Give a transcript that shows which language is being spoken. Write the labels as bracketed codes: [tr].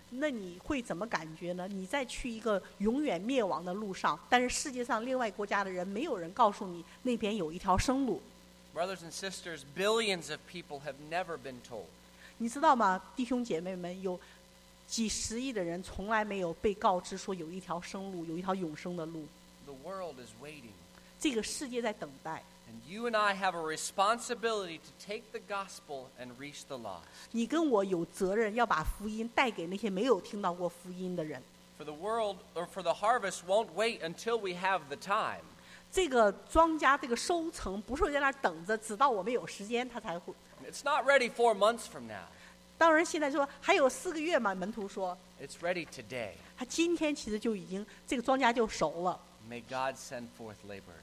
[zh] 那你会怎么感觉呢？你在去一个永远灭亡的路上，但是世界上另外国家的人没有人告诉你那边有一条生路。 [en] Brothers and sisters, billions of people have never been told. [zh] 你知道吗？弟兄姐妹们，有几十亿的人从来没有被告知说有一条生路，有一条永生的路。 [en] The world is waiting. [zh] 这个世界在等待。 [en] And you and I have a responsibility to take the gospel and reach the lost. [zh] 你跟我有责任要把福音带给那些没有听到过福音的人。 [en] For the world or for the harvest won't wait until we have the time. [zh] 这个庄稼这个收成不是在那等着，直到我们有时间它才会。 [en] It's not ready 4 months from now. [zh] 当然现在说还有四个月嘛，门徒说。 [en] It's ready today. [zh] 他今天其实就已经这个庄稼就熟了。 [en] May God send forth laborers.